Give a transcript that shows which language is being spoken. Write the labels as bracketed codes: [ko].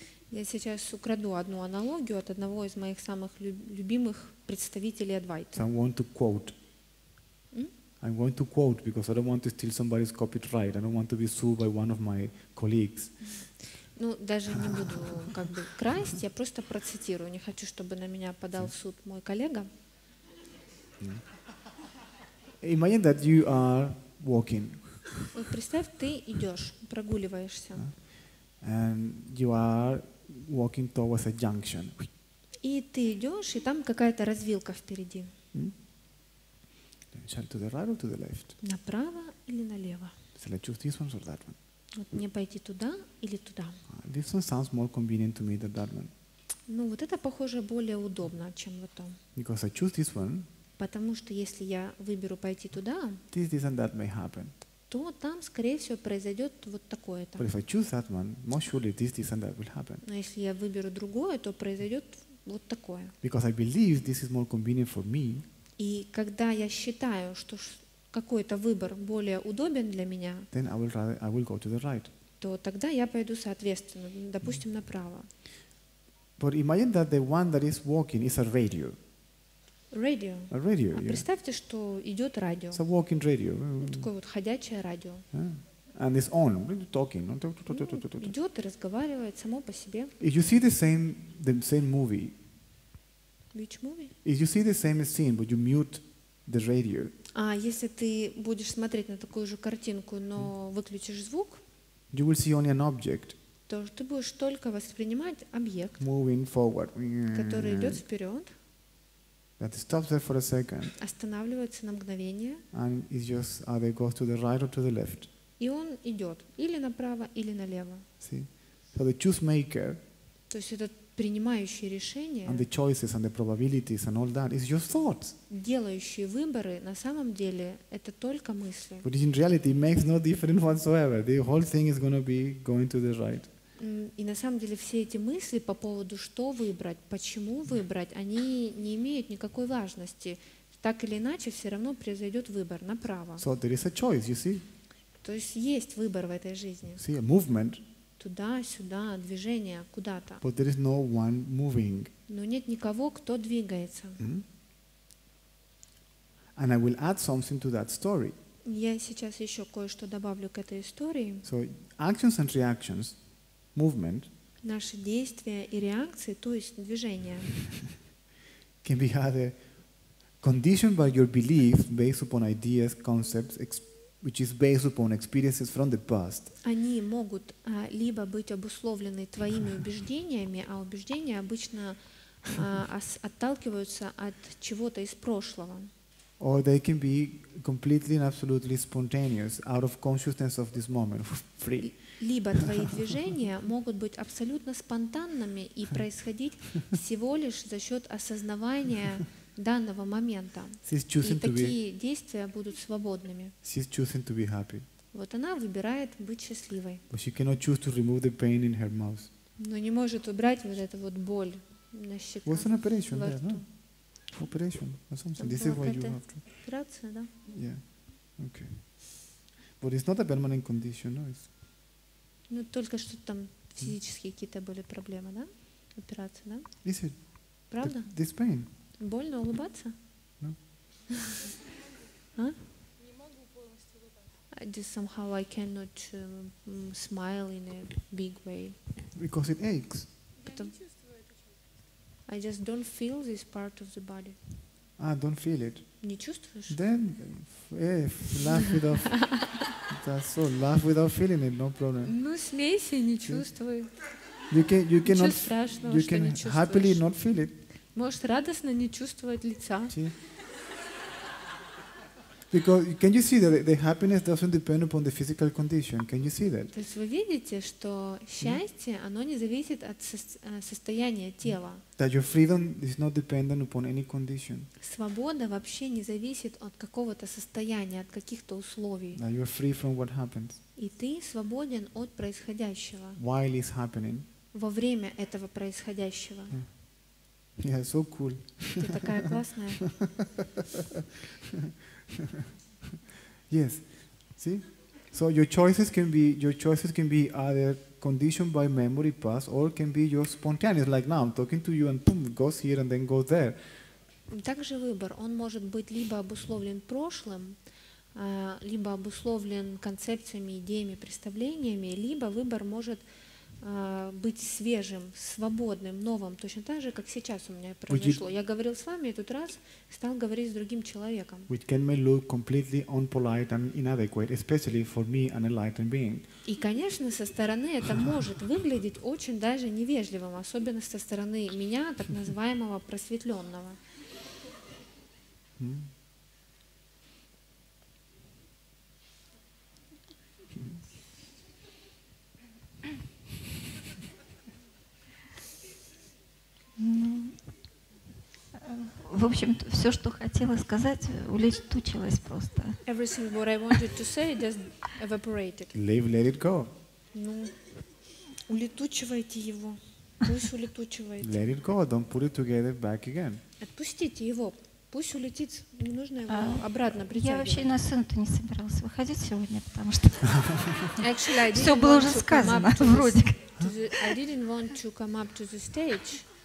[ru] Я сейчас украду одну аналогию от одного из моих самых любимых представителей Адвайты. [en] So I want to quote. I'm going to quote because I don't want to steal somebody's copyright. I don't want to be sued by one of my colleagues. [ru] Ну, даже не буду как бы красть, я просто процитирую. Не хочу, чтобы на меня подал в суд мой коллега. [en] Imagine that you are walking. [ru] Вот представь, ты идешь, прогуливаешься. [en] And you are walking towards a junction. [ru] И ты идешь, и там какая-то развилка впереди. [en] To the right or to the left? [ru] Направо или налево? [en] Shall I choose this one or that one? [ru] Вот мне пойти туда или туда? [en] This one sounds more convenient to me than that one. [ru] Ну вот это похоже более удобно, чем вот то. [en] Because I choose this one. [ru] Потому что если я выберу пойти туда, [en] this and that may happen. [ru] То там, скорее всего, произойдет вот такое-то. [en] But if I choose that one, most surely this and that will happen. [ru] Но если я выберу другое, то произойдет вот такое. [en] Because I believe this is more convenient for me. [ru] И когда я считаю, что какой-то выбор более удобен для меня, [en] then I will go to the right. [ru] То тогда я пойду соответственно, допустим, направо. [en] But imagine that the one that is walking is a radio. Radio. A radio. [ru] А представьте, что идет радио. [en] It's a walking radio. [ru] Такое вот ходячее радио. [en] Yeah. And it's on, talking. [ru] Идет и разговаривает само по себе. [en] If you see the same movie. Which movie? If you see the same scene, but you mute the radio. [ru] А если ты будешь смотреть на такую же картинку, но выключишь звук, [en] you will see only an object. [ru] То ты будешь только воспринимать объект, [en] moving forward, [ru] который идет вперед, [en] that stops there for a second, [ru] останавливается на мгновение, [en] and it just either goes to the right or to the left. [ru] И он идет или направо, или налево. [en] See? So the choose maker, [ru] то есть этот принимающий решение, [en] and the choices and the probabilities and all that is your thoughts. [ru] Делающий выборы на самом деле это только мысли. [en] But in reality it makes no difference whatsoever. The whole thing is going to be going to the right. [ru] И на самом деле все эти мысли по поводу что выбрать, почему выбрать, они не имеют никакой важности. Так или иначе все равно произойдет выбор направо. [en] So there is a choice, you see? [ru] То есть есть выбор в этой жизни. [en] See, a movement. [ru] Туда-сюда, движение куда-то. [en] But there is no one moving. [ru] Но нет никого, кто двигается. Mm-hmm. [en] And I will add something to that story. [ru] Я сейчас еще кое-что добавлю к этой истории. [en] So actions and reactions, movement. [ru] Наши действия и реакции, то есть движение. [en] Can be either conditioned by your belief based upon ideas, concepts, which is based upon experiences from the past. [ru] Они могут либо быть обусловлены твоими убеждениями, а убеждения обычно отталкиваются от чего-то из прошлого. [en] Or they can be completely and absolutely spontaneous, out of consciousness of this moment, free. [ru] Либо твои движения могут быть абсолютно спонтанными и происходить всего лишь за счет осознавания данного момента. И такие действия будут свободными. [en] She's choosing to be happy. [ru] Вот она выбирает быть счастливой. [en] But she cannot choose to remove the pain in her mouth. [ru] Но не может убрать вот эту вот боль на щеках. [en] What's an operation there, no? Operation or something. This is what you have to. [ru] Операция, да? [en] Yeah. Okay. But it's not a permanent condition, no? It's... [ru] Ну, только что там физические какие-то были проблемы, да? Операция, да? [en] Is it? [ru] Правда? [en] This pain. [ru] Больно улыбаться? [en] No. А? [ru] Не могу полностью улыбаться. [en] Just somehow I cannot smile in a big way. Because it aches. I just don't feel this part of the body. Ah, don't feel it. [ru] Не чувствуешь? [en] Then, laugh without. That's so. Laugh without feeling it, no problem. [ru] Ну смейся, не чувствуй. [en] You cannot. [ru] Ничего страшного, [en] you can happily not feel it. [ru] Можешь радостно не чувствовать лица. [en] Because can you see that the happiness doesn't depend upon the physical condition? Can you see that? [ru] То есть вы видите, что счастье, оно не зависит от состояния тела. [en] That your freedom is not dependent upon any condition. [ru] Свобода вообще не зависит от какого-то состояния, от каких-то условий. [en] That you're free from what happens. [ru] И ты свободен от происходящего. [en] While it's happening. [ru] Во время этого происходящего. [en] Yeah, so cool. [ru] Ты такая классная. [en] Yes. See? So your choices can be either conditioned by memory past or can be your spontaneous, like now I'm talking to you and boom, goes here and then goes there. [ru] Также выбор, он может быть либо обусловлен прошлым, либо обусловлен концепциями, идеями, представлениями, либо выбор может быть свежим, свободным, новым, точно так же, как сейчас у меня произошло. Я говорил с вами, и тут раз стал говорить с другим человеком. [en] Which can may look completely unpolite and inadequate, especially for me, an enlightened being. [ru] И, конечно, со стороны это может выглядеть очень даже невежливым, особенно со стороны меня, так называемого просветленного. В общем, все, что хотела сказать, улетучилось просто. [en] Everything what I wanted to say just evaporated. Leave, let it go. [ru] Ну, улетучивайте его. Пусть улетучивает. [en] Let it go. Don't put it together back again. [ru] Отпустите его. Пусть улетит. Не нужно его обратно притягивать. Я вообще на сцену-то не собиралась выходить сегодня, потому что [en] actually, [ru] все было уже сказано, вроде. [en] I didn't want to come up to the stage.